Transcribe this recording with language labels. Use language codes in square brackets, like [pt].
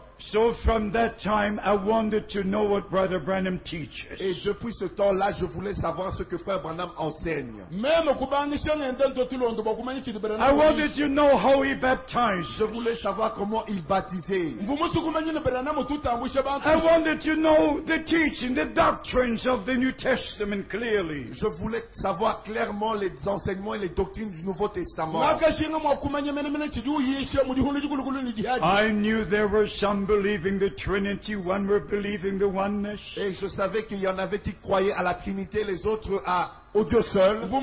[en] So from that time, I wanted to know what Brother Branham teaches. [fr] Et depuis ce temps-là, je voulais savoir ce que Frère Branham enseigne. [en] I wanted to know how he baptized. [fr] Je voulais savoir comment il baptisait. [en] I wanted to know the teaching, the doctrines of the New Testament clearly. [fr] Je voulais savoir clairement les enseignements et les doctrines du Nouveau Testament. [en] I knew there were some believing the Trinity, one were believing the oneness. [fr] Et je savais qu'il y en avait qui croyaient à la Trinité, les autres à au Dieu seul.